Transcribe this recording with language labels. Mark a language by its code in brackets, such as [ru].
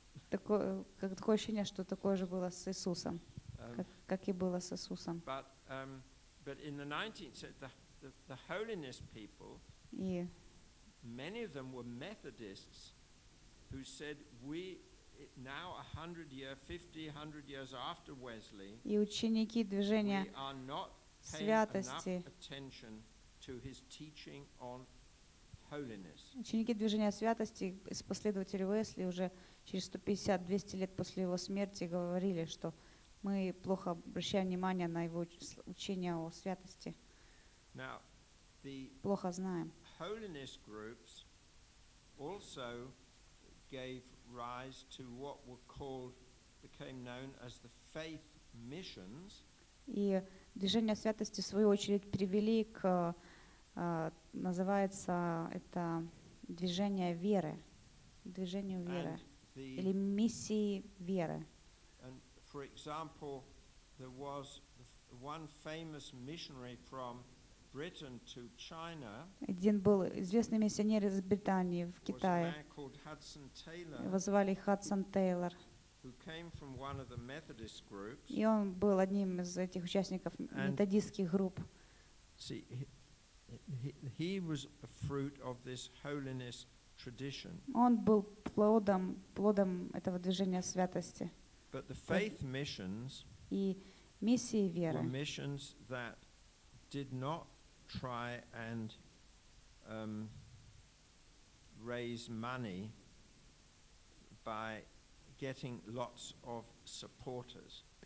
[ru] такое ощущение, что такое же было с Иисусом, как и было с Иисусом. [en] But in the 19th century, the holiness people, many of them were Methodists, who said, "We now 100 years, 50, 100 years after Wesley, [ru] и ученики движения [en] we are not paying [ru] святости. [en] Enough attention to his teaching on holiness." [ru] Ученики движения святости, последователи Уэсли уже через 150-200 лет после его смерти говорили, что мы плохо обращаем внимание на его учение о святости. [en] Now, the [ru] плохо знаем. [en] Holiness groups also gave rise to what were called, became known as the faith missions. [ru] И движение святости, в свою очередь, привели к, называется это движение веры, движению веры, или миссии веры. [en] And for example, there was one famous missionary from Britain to China. [ru] Один был известный миссионер из Британии в Китае. Его звали Хадсон Тейлор. [en] Who came from one of the Methodist groups. [ru] И он был одним из этих участников методистских групп. [en] See, he was a fruit of this holiness tradition. [ru] Он был плодом этого движения святости. [en] But the faith missions. [ru] И миссии веры. [en] Were missions that did not try and raise money by getting lots of supporters.